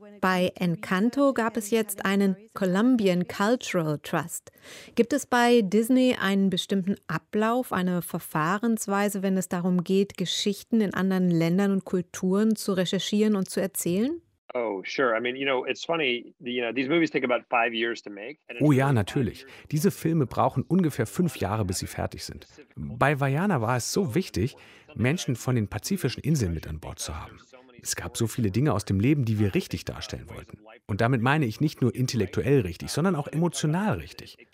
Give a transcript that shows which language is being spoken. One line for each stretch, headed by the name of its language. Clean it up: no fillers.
German: Bei Encanto gab es jetzt einen Colombian Cultural Trust. Gibt es bei Disney einen bestimmten Ablauf, eine Verfahrensweise, wenn es darum geht, Geschichten in anderen Ländern und Kulturen zu recherchieren und zu erzählen?
English: Oh, sure. I mean, you know, it's funny. You know, these movies take about 5 years to make.
German: Oh ja, natürlich. Diese Filme brauchen ungefähr 5 Jahre, bis sie fertig sind. Bei Vaiana war es so wichtig, Menschen von den pazifischen Inseln mit an Bord zu haben. Es gab so viele Dinge aus dem Leben, die wir richtig darstellen wollten. Und damit meine ich nicht nur intellektuell richtig, sondern auch emotional richtig.